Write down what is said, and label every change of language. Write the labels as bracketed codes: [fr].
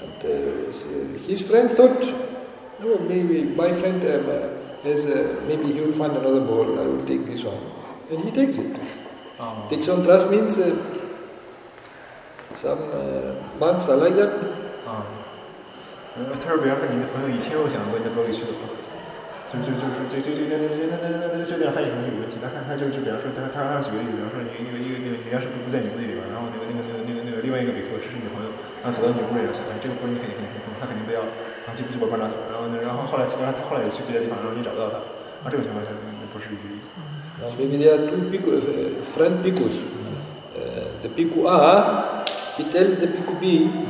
[en] And his friend thought, oh, maybe my friend maybe he will find another bowl, I will take this one. And he takes it. Uh-huh. Takes on trust means some monks are like that. [zh] 他说：“比方说，你的朋友以前我想过你的包里去怎么，就这样翻译可能有问题。他就比方说，他让举个例子，比方说你要是不在你屋里边，然后那个另外一个比方说是你朋友，然后走到你屋里边去，哎，这个包你肯定他肯定不要，然后就把包拿走。然后后来去，他后来也去别的地方，然后你找不到他，啊，这种情况下那不是有意义。 [en] Maybe there are two people, friend people. The people A, he tells the people B.”